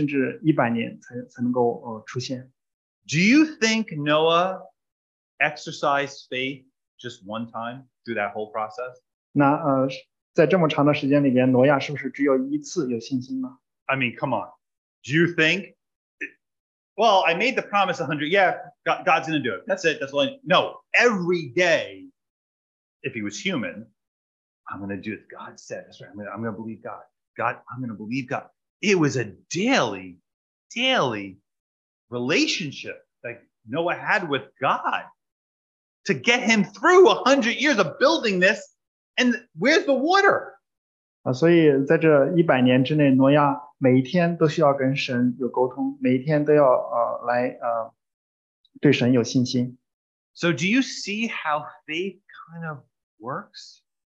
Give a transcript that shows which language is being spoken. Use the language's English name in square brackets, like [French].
[Chinese] 神所应许的要过几十年甚至一百年才能够出现。 [English] Do you think Noah exercised faith just one time through that whole process? [Chinese] 那在这么长的时间里面，挪亚是不是只有一次有信心呢？ [English] I mean, come on. Do you think? Well, I made the promise 100. Yeah, God's going to do it. That's it. That's all I need. No, every day, if he was human, I'm going to do it. God said, that's right. I'm going to believe God. God, I'm going to believe God. It was a daily, daily relationship that Noah had with God to get him through 100 years of building this. And where's the water? [Chinese] 所以在这100年之内，挪亚 每一天都需要跟神有沟通，每一天都要来对神有信心。 [English] So do you see how faith kind of works?